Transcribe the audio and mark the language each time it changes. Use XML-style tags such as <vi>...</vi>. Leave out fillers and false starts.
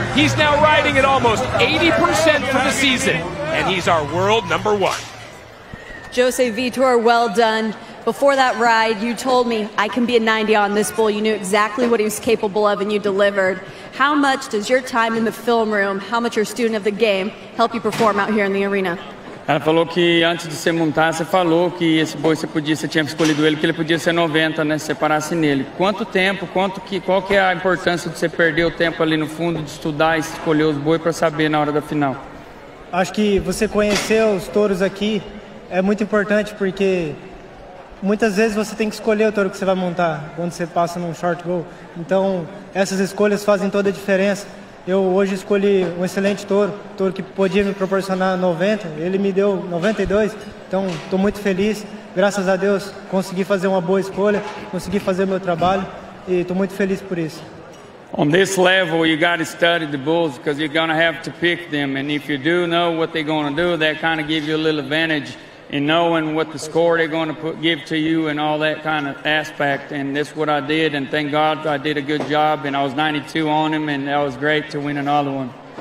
<en>He's now riding at almost 80% for the season, and he's our world number one. Jose Vitor, well done. Before that ride, you told me I can be a 90 on this bull. You knew exactly what he was capable of, and you delivered. How much does your time in the film room, how much your student of the game, help you perform out here in the arena?</en> <pt>Ela falou que antes de você montar, você falou que esse boi você podia, você tinha escolhido ele, que ele podia ser 90, né? Se você parasse nele. Quanto tempo, qual que é a importância de você perder o tempo ali no fundo, de estudar e escolher os bois para saber na hora da final? Acho que você conhecer os touros aqui é muito importante porque muitas vezes você tem que escolher o touro que você vai montar quando você passa num short go. Então, essas escolhas fazem toda a diferença. Eu hoje escolhi um excelente touro, touro que podia me proporcionar 90. Ele me deu 92, então estou muito feliz. Graças a Deus, consegui fazer uma boa escolha, consegui fazer o meu trabalho e estou muito feliz por isso.</pt> <en>On this level, you got to study the bulls because you're going to have to pick them. And if you do know what they're going to do, that kind of gives you a little advantage in knowing what the score they're going to give to you and all that kind of aspect. And that's what I did, and thank God I did a good job, and I was 92 on him, and that was great to win another one.</en>